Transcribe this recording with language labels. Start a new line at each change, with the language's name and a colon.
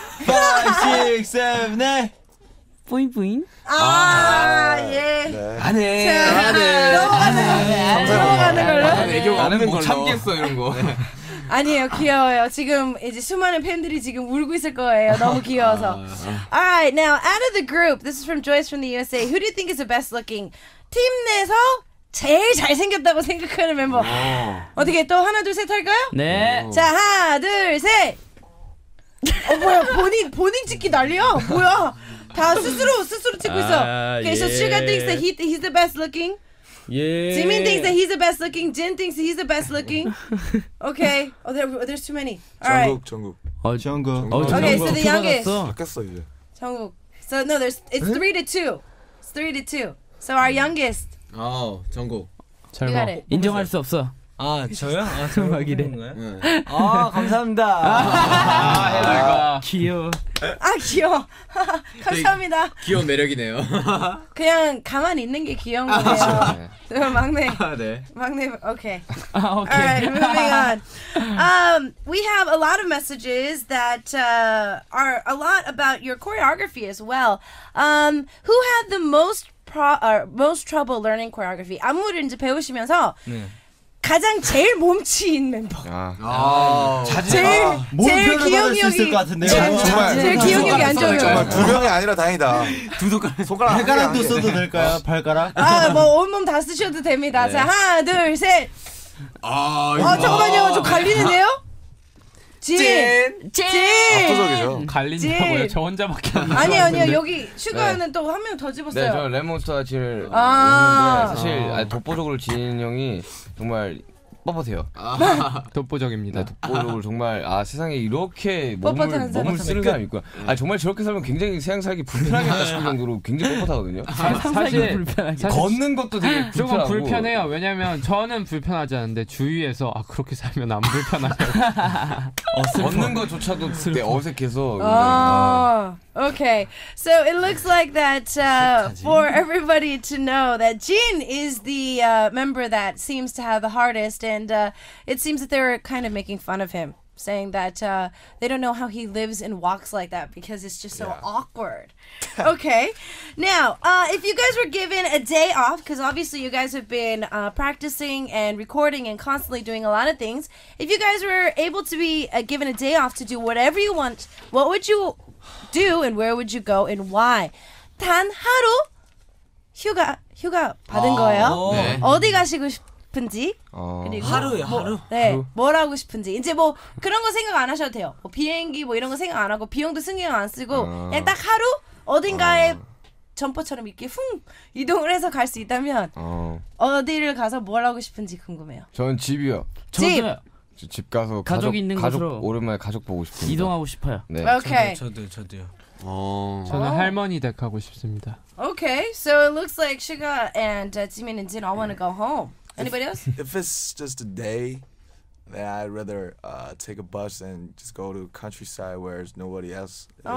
English: 5, 6, 7, 8.
Korean: 뿌잉 뿌잉. 아, 예. 안 해. 넘어가는 걸로. 방탄 애교가 없는 걸로. 못 참겠어, 이런 거. 아니에요, 귀여워요. 지금 이제 수많은 팬들이 지금 울고 있을 거예요. 너무 귀여워서.
English: All right, now out of the group, this is from Joyce from the USA. Who do you think is the best looking?
Korean: 팀 내에서 제일 잘생겼다고 생각하는 멤버. 어떻게 또 하나 둘 셋 할까요? 네. 자, 하나 둘 셋. 어 뭐야, 본인 찍기 난리야? 뭐야? 다 스스로 찍고 있어. 그래서
English: okay, so Suga thinks that he's the best looking. Yeah. Jimin thinks that he's the best looking. Jin thinks he's the best looking. Okay. Oh, there's too many. All right. Jungkook. Okay, so the youngest. Jungkook. So no, it's 3-2. It's 3-2. So our youngest. Oh, Jungkook.
Korean: 잘해. 인정할 수 없어. 아, 저요? 아, 정말 기대. 아, 감사합니다. 귀여워. 아, 귀여워. 감사합니다. 귀여운 매력이네요. 그냥 가만히 있는 게 귀여운 거예요. 네. 막내. 아, 네. 막내, 오케이. 아, 오케이.
English: Alright, moving on. We have a lot of messages that are a lot about your choreography as well. Who had the most trouble learning choreography?
Korean: 안무를 이제 배우시면서. 네. 가장 제일 몸치인 멤버. 아, 제일 기억력이 있을 것 같은데. 정말 제일 기억력이 안 좋아요. 정말 두 명이 아니라 다행이다. 두둑한 손가락. 발가락도 써도 될까요? 발가락? 아, 뭐 온몸 다 쓰셔도 됩니다. 네. 자, 하나, 둘, 셋. 아, 아 잠깐만요, 좀 갈리는데요? 진! 압도적이죠. 갈린다고요? 저 혼자밖에 안 나왔는데. 아니요, 아니요. 여기 슈가는 네. 또 한 명 더 집었어요. 네, 저는 레몬스타 진을 아~ 사실 아. 아니, 독보적으로 진 형이 정말 뻣뻣해요. 아. 독보적입니다. 네, 독보적으로 정말 아 세상에 이렇게 몸을 쓰는 사람이 있구나. 아 정말 저렇게 살면 굉장히 세상 살기 불편하겠다 싶은 정도로 굉장히 뻣뻣하거든요. 사실 걷는 것도 되게 불편하고. 조금 불편해요. 왜냐면 저는 불편하지 않은데 주위에서 아 그렇게 살면 안 불편하죠. 걷는 것조차도 되게 어색해서.
English: 아 Okay, so it looks like that for everybody to know that Jin is the member that seems to have the hardest, and it seems that they're kind of making fun of him, saying that they don't know how he lives and walks like that because it's just so yeah. awkward. Okay, now, if you guys were given a day off, because obviously you guys have been practicing and recording and constantly doing a lot of things, if you guys were able to be given a day off to do whatever you want, what would you... do and where would you go and why?
Korean: 단 하루 휴가 받은 아, 거예요. 네. 어디 가시고 싶은지 그리고 하루요 뭐, 하루. 네, 뭘 하고 싶은지 이제 뭐 그런 거 생각 안 하셔도 돼요. 뭐 비행기 뭐 이런 거 생각 안 하고 비용도 신경 안 쓰고 그냥 딱 하루 어딘가에 점퍼처럼 이렇게 훙 이동을 해서 갈 수 있다면 어디를 가서 뭘 하고 싶은지 궁금해요. 저는 집이요. 집. 집 가서 가족 있는 곳으로 가족 오랜만에 가족 보고 싶습니다. 이동하고 싶어요. 네. Okay. 저도요. 저는 할머니 댁 가고 싶습니다.
English: Okay. So it looks like Suga and Jimin and Jin all want to go home. Anybody else? If it's just a day, then I'd rather take a bus and just go to countryside where there's nobody else.